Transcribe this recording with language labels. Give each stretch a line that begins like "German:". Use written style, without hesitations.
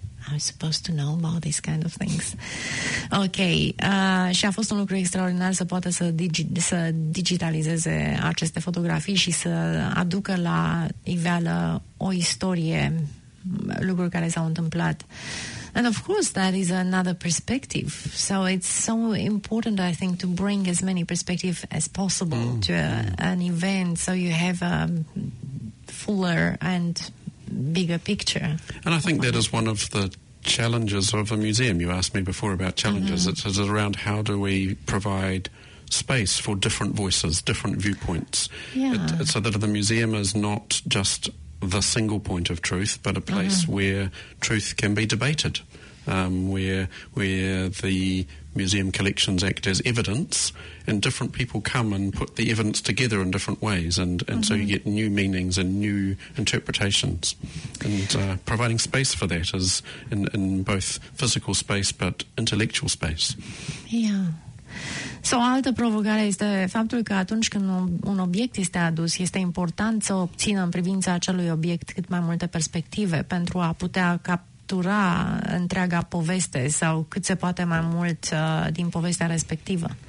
English: I'm supposed to know about these kind of things. Ok.
Romanian: Și a fost un lucru extraordinar să poată să digitalizeze aceste fotografii și să aducă la iveală o istorie, lucruri care s-au întâmplat.
English: And of course, that is another perspective. So it's so important, I think, to bring as many perspectives as possible to an event so you have a fuller and bigger picture. And I think that is one of the challenges of a museum. You asked me before about challenges. Mm-hmm. It's around how do we provide space for different voices, different viewpoints, so that the museum is not just the single point of truth, but a place where truth can be debated, where the museum collections act as evidence, and different people come and put the evidence together in different ways, and so you get new meanings and new interpretations. And providing space for that is in both physical space but intellectual space. Yeah.
Romanian: So, o altă provocare este faptul că atunci când un obiect este adus, este important să obțină în privința acelui obiect cât mai multe perspective pentru a putea captura întreaga poveste sau cât se poate mai mult din povestea respectivă.